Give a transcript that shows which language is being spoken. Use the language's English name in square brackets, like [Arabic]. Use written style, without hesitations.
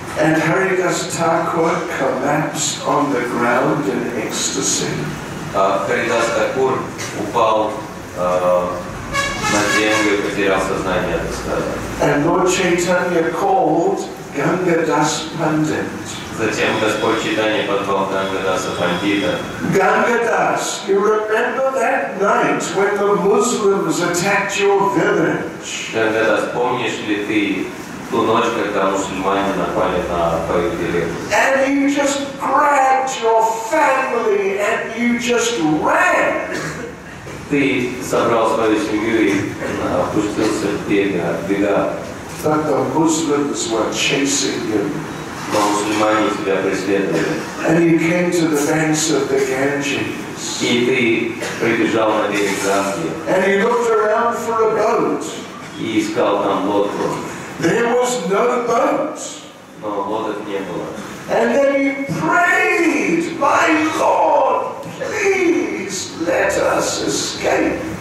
[English] And Haridas Thakur collapsed on the ground in ecstasy. [Russian] Харидас Такур упал на землю и потерял сознание, так сказать. [English] And Lord Chaitanya called Ganga Das Pandit. [Russian] Затем Господь Чайтанья позвал Ганга Даса Пандита. [English] Ganga Das, you remember that night when the Muslims attacked your village? [Russian] Ganga Das, помнишь ли ты ту ночь, когда мусульмане напали на твою деревню? [English] And you just grabbed your family and you just ran. [Russian] Ты собрал свою семью и опустился в бега. [English] But the Muslims were chasing him. [Russian] Но мусульмане тебя преследовали. [English] And you came to the banks of the Ganges. [Russian] И ты прибежал на берег Ганги. [English] And you looked around for a boat. [Russian] И искал там лодку. [English] There was no boat. [Russian] Но лодок не было. [English] And then you prayed, my Lord, please let us escape.